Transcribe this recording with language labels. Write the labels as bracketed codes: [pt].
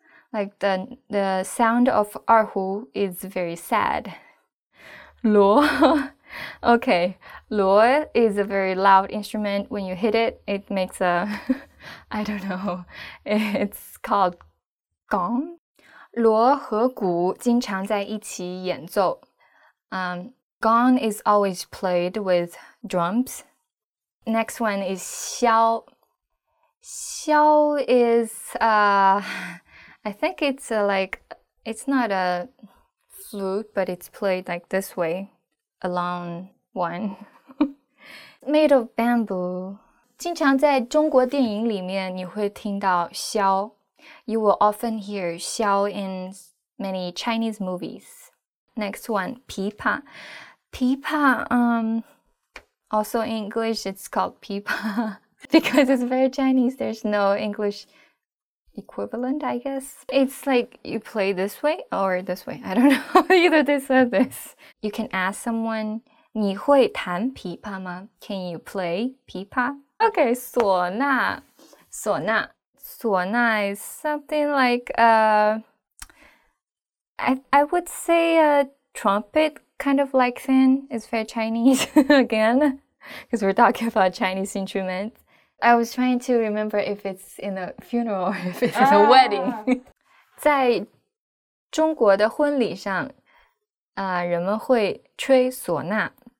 [en] Like the sound of 二胡 is very sad. 锣 Okay, 锣 is a very loud instrument. When you hit it, it makes a, I don't know, it's called gong. [zh] 锣和鼓经常在一起演奏。 [en] Gong is always played with drums. Next one is 箫. 箫 is I think it's like, it's not a flute, but it's played like this way, a long one. Made of bamboo. [zh] 经常在中国电影里面你会听到箫。 [en] You will often hear 箫 in many Chinese movies. Next one, 琵琶.琵琶, also in English, it's called 琵琶. Because it's very Chinese, there's no English equivalent, I guess. It's like you play this way or this way. I don't know. Either this or this. You can ask someone, [zh] 你会弹琵琶吗? [en] Can you play 琵琶?Okay, 唢呐.唢呐. 唢呐 is something like, I would say a trumpet kind of like thing. It's very Chinese again, because we're talking about Chinese instruments. I was trying to remember if it's in a funeral or if it's in a wedding. [zh] 在中国的婚礼上，人们会吹唢呐。